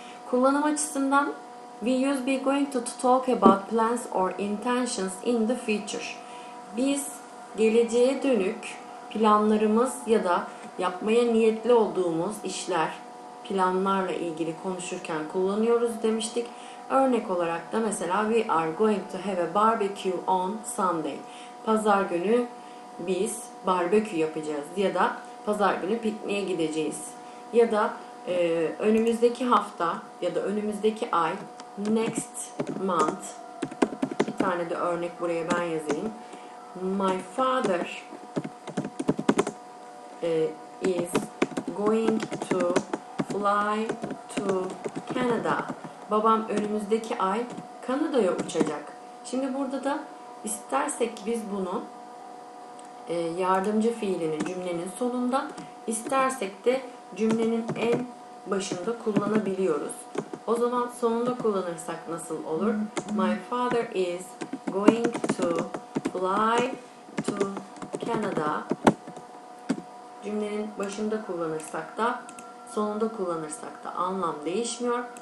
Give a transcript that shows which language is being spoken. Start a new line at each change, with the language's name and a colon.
Turkish: Kullanım açısından,
English: we use be going to talk about plans or intentions in the future.
Turkish: Biz geleceğe dönük planlarımız ya da yapmaya niyetli olduğumuz işler, planlarla ilgili konuşurken kullanıyoruz demiştik. Örnek olarak da mesela
English: we are going to have a barbecue on Sunday.
Turkish: Pazar günü biz barbekü yapacağız ya da pazar günü pikniğe gideceğiz. Ya da önümüzdeki hafta ya da önümüzdeki ay
English: next month.
Turkish: Bir tane de örnek buraya ben yazayım.
English: My father is going to fly to Canada.
Turkish: Babam önümüzdeki ay Kanada'ya uçacak. Şimdi burada da istersek biz bunu yardımcı fiilinin cümlenin sonunda, istersek de cümlenin en başında kullanabiliyoruz. O zaman sonunda kullanırsak nasıl olur?
English: My father is going to fly to Canada.
Turkish: Cümlenin başında kullanırsak da sonunda kullanırsak da anlam değişmiyor.